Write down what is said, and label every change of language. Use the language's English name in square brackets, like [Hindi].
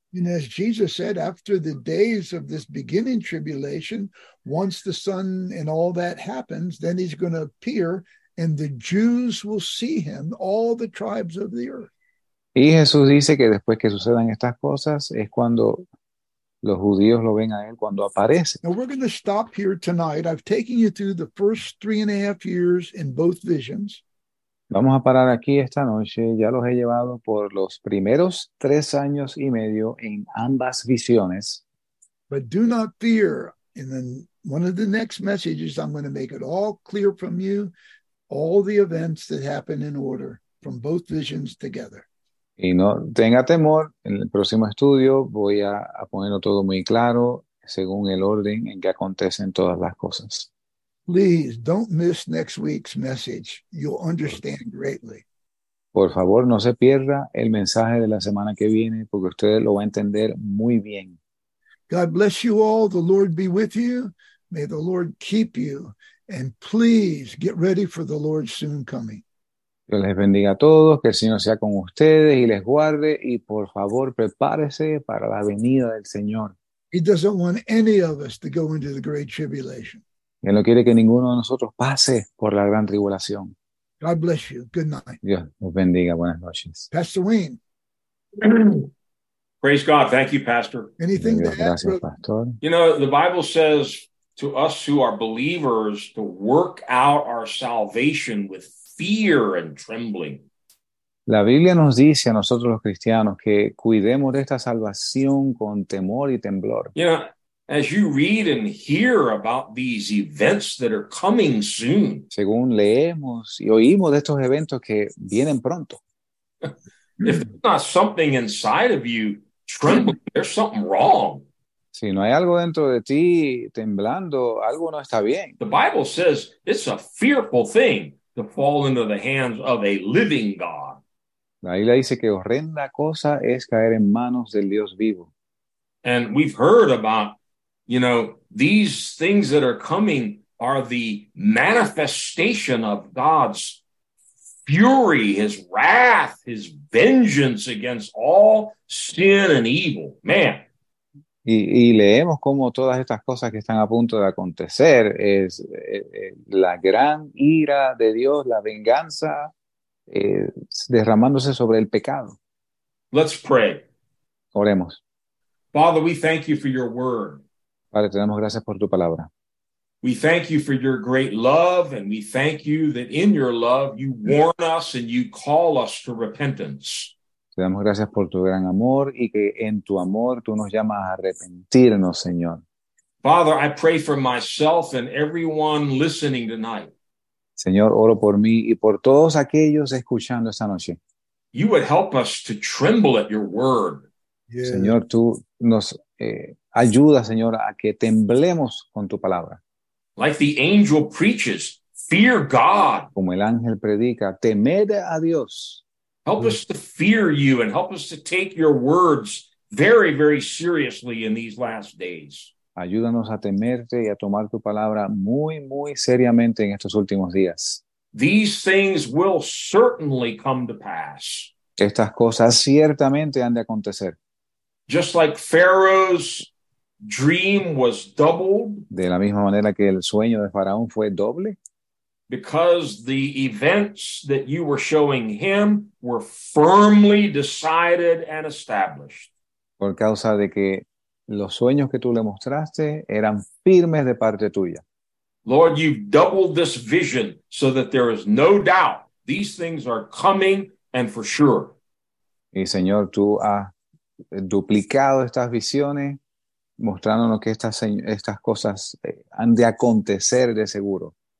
[English] And as Jesus said, after the days of this beginning tribulation, once the sun and all that happens, then he's going to appear and the Jews will see him, all the tribes of the earth. [Spanish] Y Jesús dice que después que sucedan estas cosas es cuando los judíos lo ven a él cuando aparece. [English] Now we're going to stop here tonight. I've taken you through the first 3.5 years in both visions. [Spanish] Vamos a parar aquí esta noche. Ya los he llevado por los primeros 3 años y medio en ambas visiones. [English] But do not fear. In one of the next messages, I'm going to make it all clear from you, all the events that happen in order from both visions together. [Spanish] Y no tenga temor, en el próximo estudio voy a ponerlo todo muy claro según el orden en que acontecen todas las cosas. [English] Please don't miss next week's message. You'll understand greatly. [Spanish] Por favor, no se pierda el mensaje de la semana que viene porque usted lo va a entender muy bien. [English] God bless you all. The Lord be with you. May the Lord keep you. And please get ready for the Lord's soon coming. [Spanish] Dios les bendiga a todos, que el Señor sea con ustedes y les guarde, y por favor prepárese para la venida del Señor. [English] He doesn't want any of us to go into the great tribulation. [Spanish] Él no quiere que ninguno de nosotros pase por la gran tribulación. [English] God bless you. Good night. [Spanish] Dios los bendiga. Buenas noches. [English] Pastor Wayne. Praise God. Thank you, Pastor. Anything [Spanish] Dios, [English] to add? [Spanish] Gracias, Pastor. [English] You know, the Bible says to us who are believers to work out our salvation with fear and trembling. [Spanish] La Biblia nos dice a nosotros los cristianos que cuidemos de esta salvación con temor y temblor. [English] You know, as you read and hear about these events that are coming soon. [Spanish] Según leemos y oímos de estos eventos que vienen pronto. [English] If there's not something inside of you trembling, there's something wrong. [Spanish] Si no hay algo dentro de ti temblando, algo no está bien. [English] The Bible says it's a fearful thing to fall into the hands of a living God. [Spanish] La Biblia dice que horrenda cosa es caer en manos del Dios vivo. [English] And we've heard about, you know, these things that are coming are the manifestation of God's fury, his wrath, his vengeance against all sin and evil. Man. [Spanish] Y leemos cómo todas estas cosas que están a punto de acontecer es la gran ira de Dios, la venganza derramándose sobre el pecado. [English] Let's pray. [Spanish] Oremos. [English] Father, we thank you for your word. [Spanish] Padre, te damos gracias por tu palabra. [English] We thank you for your great love, and we thank you that in your love you warn us and you call us to repentance. [Spanish] Te damos gracias por tu gran amor y que en tu amor tú nos llamas a arrepentirnos, Señor. [English] Father, I pray for myself and everyone listening tonight. [Spanish] Señor, oro por mí y por todos aquellos escuchando esta noche. [English] You would help us to tremble at your word. Yes. [Spanish] Señor, tú nos ayuda, Señor, a que temblemos con tu palabra. [English] Like the angel preaches, fear God. [Spanish] Como el ángel predica, temed a Dios. [English] Help us to fear you and help us to take your words very, very seriously in these last days. [Spanish] Ayúdanos a temerte y a tomar tu palabra muy, muy seriamente en estos últimos días. [English] These things will certainly come to pass. [Spanish] Estas cosas ciertamente han de acontecer. [English] Just like Pharaoh's dream was doubled. [Spanish] De la misma manera que el sueño de Faraón fue doble. [English] Because the events that you were showing him were firmly decided and established. [Spanish] Por causa de que los sueños que tú le mostraste eran firmes de parte tuya. [English] Lord, you've doubled this vision so that there is no doubt these things are coming and for sure. [Spanish] Y Señor, tú has duplicado estas visiones, mostrándonos que estas cosas han de acontecer de seguro.